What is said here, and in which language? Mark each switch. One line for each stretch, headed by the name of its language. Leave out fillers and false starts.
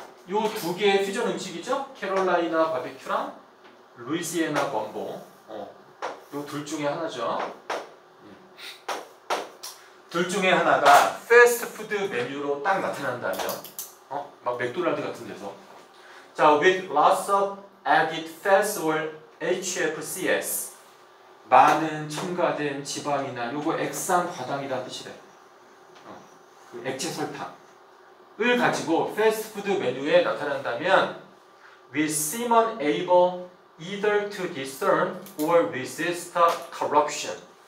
Korean: 요 두 개의 퓨전 음식이죠? 캐롤라이나 바베큐랑 루이지애나 건보. 요 둘 중에 하나죠. 둘 중에 하나가 패스트푸드 메뉴로 딱 나타난다면, 막 맥도날드 같은 데서.
English: 자, with lots of added fats or HFCs.
Korean: 많은 첨가된 지방이나, 요거 액상 과당이라는 뜻이래. 그 액체 설탕을 가지고 패스트푸드 메뉴에 나타난다면,
English: we seem unable either to discern or resist corruption.